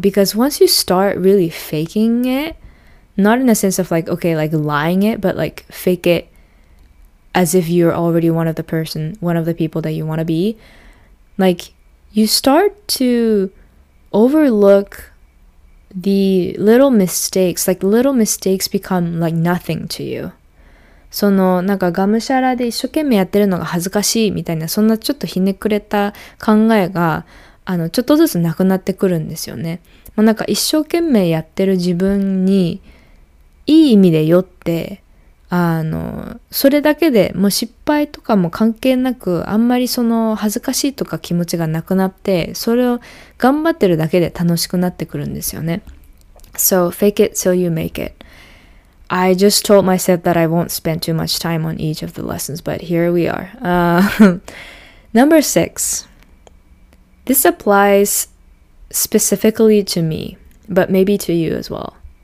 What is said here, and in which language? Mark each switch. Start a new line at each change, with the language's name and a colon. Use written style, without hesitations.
English: Because once you start really faking it,Not in the sense of like, okay, like lying it, but like fake it as if you're already one of the people that you want to be. Like, you start to overlook the little mistakes. Like, little mistakes become like nothing to you.
Japanese: その、なんかがむしゃらで一生懸命やってるのが恥ずかしいみたいな、そんなちょっとひねくれた考えが、ちょっとずつなくなってくるんですよね。まあ、なんか一生懸命やってる自分に、いい意味で酔って、それだけでもう失敗とかも関係なく、あんまりその恥ずかしいとか気持ちがなくなって、それを頑張ってるだけで楽しくなってくるんですよね。
English: So, fake it till you make it. I just told myself that I won't spend too much time on each of the lessons, but here we are. number six. This applies specifically to me, but maybe to you as well.